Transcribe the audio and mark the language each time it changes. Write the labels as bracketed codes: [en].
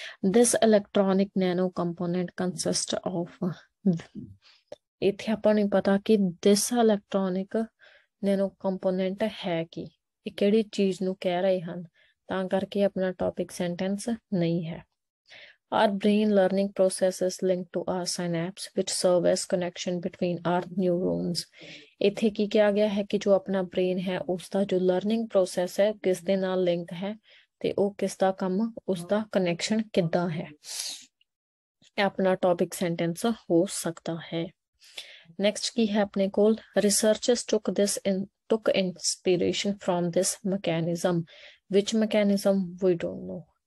[en] this electronic nano component consist of, [pa] ਇੱਥੇ ਆਪਾਂ ਨੂੰ ਪਤਾ ਕਿ ਦਿਸ ਇਲੈਕਟ੍ਰੋਨਿਕ ਨੈਨੋ ਕੰਪੋਨੈਂਟ ਹੈ ਕੀ, ਇਹ ਕਿਹੜੀ ਚੀਜ਼ ਨੂੰ ਕਹਿ ਰਹੇ ਹਨ, ਤਾਂ ਕਰਕੇ ਆਪਣਾ ਟੌਪਿਕ ਸੈਂਟੈਂਸ ਨਹੀਂ ਹੈ। [en] Our brain learning process is linked to our synapse, which serve as connection between our neurons. [pa] ਇੱਥੇ ਕੀ ਕਿਹਾ ਗਿਆ ਹੈ ਕਿ ਜੋ ਆਪਣਾ ਬ੍ਰੇਨ ਹੈ ਉਸਦਾ ਜੋ ਲਰਨਿੰਗ ਪ੍ਰੋਸੈਸ ਹੈ ਕਿਸ ਦੇ ਨਾਲ ਲਿੰਕ ਹੈ ਤੇ ਉਹ ਕਿਸ ਦਾ ਕੰਮ, ਉਸਦਾ ਕਨੈਕਸ਼ਨ ਕਿੱਦਾਂ ਹੈ, ਆਪਣਾ ਟੌਪਿਕ ਸੈਂਟੈਂਸ ਹੋ ਸਕਦਾ ਹੈ। ਨੈਕਸਟ ਕੀ ਹੈ ਆਪਣੇ ਕੋਲ, [en] Researchers took this in took inspiration from this mechanism, which mechanism we don't know.